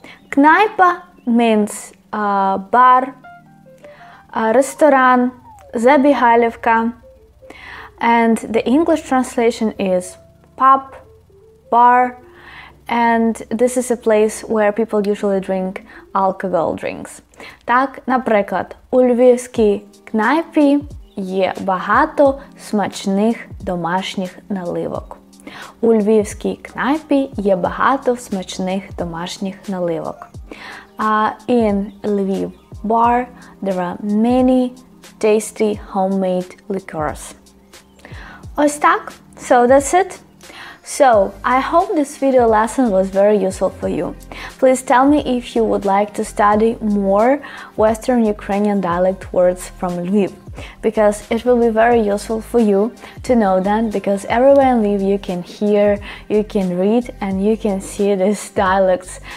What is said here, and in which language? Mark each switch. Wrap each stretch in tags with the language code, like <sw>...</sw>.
<en>Knaipa means bar, ресторан, забегаловка. And the English translation is pub, bar. And this is a place where people usually drink alcohol drinks.</en> <uk>Так, наприклад, у львівській кнайпі є багато смачних домашніх наливок. У львівській кнайпі є багато смачних домашніх наливок.</uk> <en>In Lviv bar there are many tasty homemade liquors.</en> <uk>Ось так.</uk> <en>So that's it. So, I hope this video lesson was very useful for you. Please tell me if you would like to study more Western Ukrainian dialect words from Lviv, because it will be very useful for you to know them, because everywhere in Lviv you can hear, you can read, and you can see these dialects.</en>